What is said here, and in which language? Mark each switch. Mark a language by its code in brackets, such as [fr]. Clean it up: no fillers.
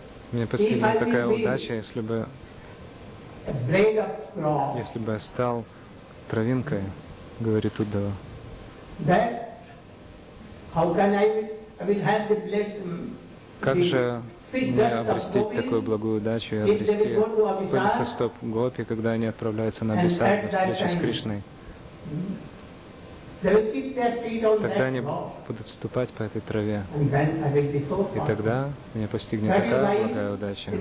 [ru] Мне постигла такая удача, если бы я стал травинкой, говорит Уддава. [en] That how can I will have the blessing. [ru] Как же мне обрести такую благую удачу и обрести пыльцы стоп Гопи, когда они отправляются на Абисар на встречу с Кришной? Тогда они будут ступать по этой траве. И тогда меня постигнет такая благая удача.